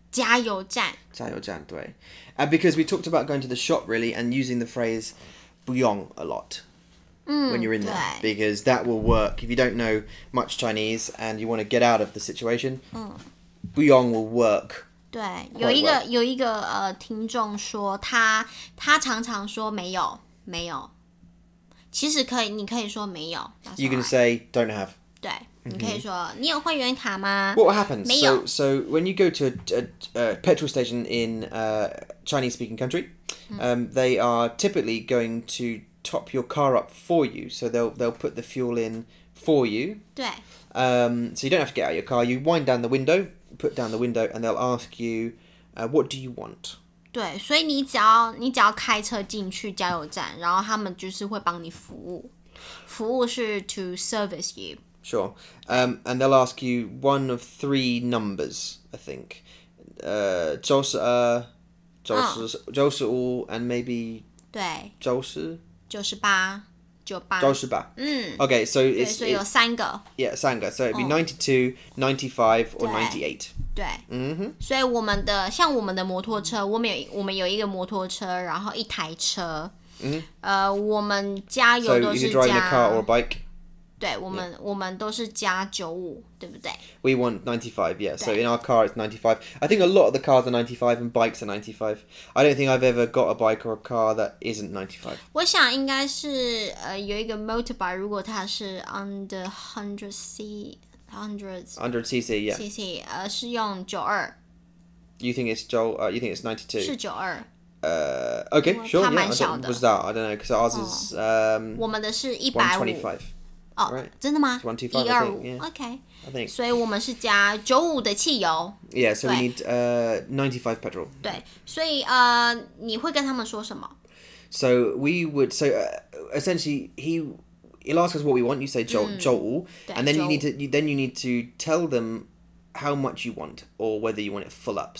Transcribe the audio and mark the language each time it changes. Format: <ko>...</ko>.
<zh>加油站。加油站,对。</zh> <en>Because we talked about going to the shop, really, and using the phrase 不用 a lot when you're in there. Because that will work. If you don't know much Chinese and you want to get out of the situation, 不用 will work.</en> <zh>对，有一个、well. 有一个听众说他常常说没有没有，其实可以你可以说没有。</zh> <en>You can say don't have.</en> <zh>对、mm-hmm. 你可以说你有会员卡吗</zh> <en>？What happens?</en> <zh>没有。</zh> <en>So when you go to a petrol station in a Chinese speaking country, they are typically going to top your car up for you. So they'll put the fuel in for you. 对。 So you don't have to get out of your car. You wind down the window. Put down the window and they'll ask you, what do you want?</en> <zh>对，所以你只要开车进去加油站，然后他们就是会帮你服务。服务是</zh> <en>to service you. Sure. And they'll ask you one of three numbers, I think. 92and maybe...</en> <zh>对。</zh> <en>98. Okay, so it's...</en> <zh>对，所以有三个。</zh> <en>Yeah, 三个。So it'd be 92, 95 or 98.</en> <zh>对、 mm-hmm. 所以我们的像我们的摩托车我们有一个摩托车然后一台车、 mm-hmm. 我们加油都是加</zh> <en>So you can drive a car or a bike</en> <zh>对我 们,、yeah. 我们都是加95对不对</zh> <en>We want 95 yeah so in our car it's 95 I think a lot of the cars are 95 and bikes are 95 I don't think I've ever got a bike or a car that isn't 95</en> <zh>我想应该是、有一个 motorbike 如果它是 under 100cc</zh> <en>Hundreds. 100cc, yeah.</en> <zh>CC, 是用92.</zh> <en>You think it's 92?</en> <zh>是92.</zh> <en>Okay, sure.</en> <zh>它蛮小的。</zh> <en>Yeah, what's that? I don't know, because ours is...</en> <zh>我们的是 125. 哦、right? 真的吗</zh> <en>?125, I think. Yeah. Okay. I think.</en> <zh>所以我们是加95的汽油。</zh> <en>Yeah, so we need 95 petrol.</en> <zh>对。所以你会跟他们说什么</zh> <en>?So we would... So essentially, he... He'll ask us what we want. You say 95, and then you need to tell them how much you want or whether you want it full up.</en>